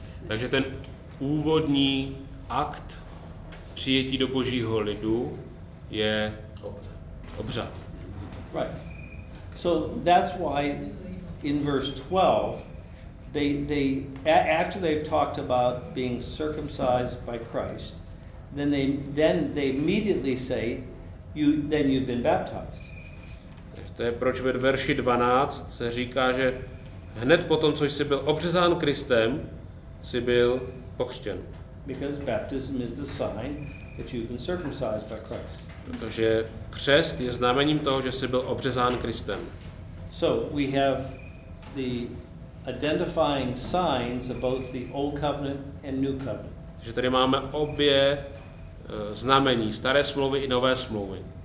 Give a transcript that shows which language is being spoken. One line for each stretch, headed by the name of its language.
Czech: Takže ten úvodní akt přijetí do Božího lidu je obřad.
English: Right. So that's why in verse 12 they after they've talked about being circumcised by Christ, then they immediately say you've been baptized.
Czech: To je proč ve verši 12 se říká, že hned potom, co jsi byl obřezán Kristem, jsi byl pokřtěn.
English: Because baptism is the sign that you've been circumcised by Christ.
Czech: Protože křest je znamením toho, že jsi byl obřezán Kristem.
English: So we have the identifying signs of both the old covenant and new covenant.
Czech: Takže tady máme obě znamení, staré smlouvy i nové smlouvy.